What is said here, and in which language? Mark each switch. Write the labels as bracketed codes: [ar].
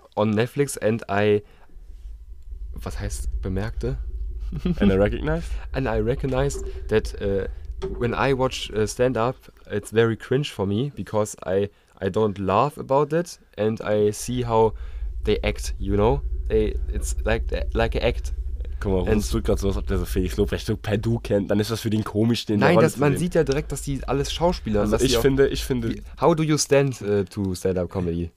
[en] On Netflix and I, [de] was heißt bemerkte? [en] And I recognized? And I recognized that when I watch stand-up, it's very cringe for me because I don't laugh about it and I see how they act, you know? It's like an act. [de] Guck mal, es tut gerade so, als ob der so Felix Lobrecht so per Du kennt, dann ist das für den komisch, den Nein, das, man sieht ja direkt, dass die alles Schauspieler sind. Also ich finde... [en] How do you stand to stand-up comedy?